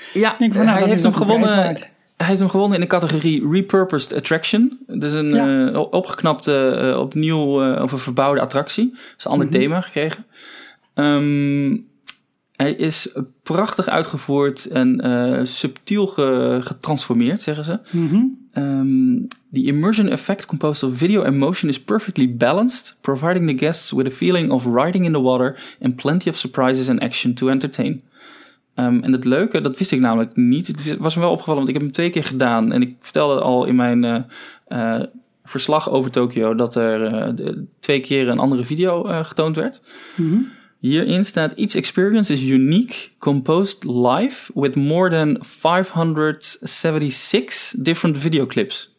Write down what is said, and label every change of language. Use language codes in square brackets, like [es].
[nl] Ja, denk van, hij heeft hem gewonnen. Hij heeft hem gewonnen in de categorie Repurposed Attraction. Dus een opgeknapte, opnieuw of een verbouwde attractie. Dat is een ander thema gekregen. Hij is prachtig uitgevoerd en subtiel getransformeerd, zeggen ze. Mm-hmm. [en] The immersion effect composed of video and motion is perfectly balanced, providing the guests with a feeling of riding in the water and plenty of surprises and action to entertain. [nl] En het leuke, dat wist ik namelijk niet. Het was me wel opgevallen, want ik heb hem 2 keer gedaan. En ik vertelde al in mijn verslag over Tokio dat er 2 keer een andere video getoond werd. Mm-hmm. Hierin staat, [en] each experience is unique, composed live with more than 576 different videoclips.